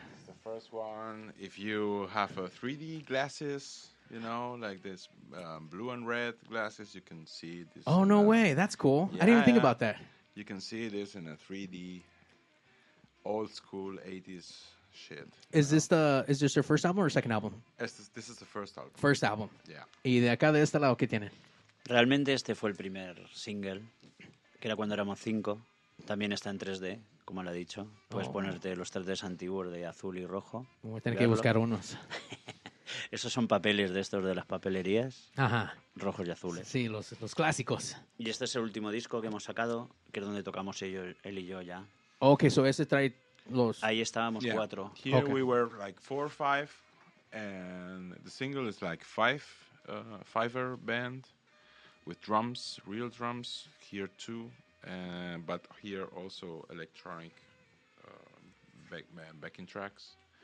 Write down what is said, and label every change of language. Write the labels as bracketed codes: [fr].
[en] The first one, if you have a 3D glasses, you know, like this blue and red glasses, you can see this. Oh, no way. That's cool. Yeah, I didn't even think about that. You can see this in a 3D, old school 80s shit. Is this your first album or second album? This is the first album. First album. Yeah. [es] ¿Y de acá de este lado qué tiene? Realmente este fue el primer single, que era cuando éramos cinco. También está en 3D, como lo he dicho. Puedes ponerte los 3Ds antiguos de azul y rojo. Voy a tener que buscar unos. Esos son papeles de estos de las papelerías. Ajá. Rojos y azules. Sí, los clásicos. Y este es el último disco que hemos sacado, que es donde tocamos él y yo ya. [en] Ok, so [es] ese trae los... Ahí estábamos cuatro. [en] Here we were like four or five, and the single is like fiver band with drums, real drums, here too, but here also electronic backing tracks.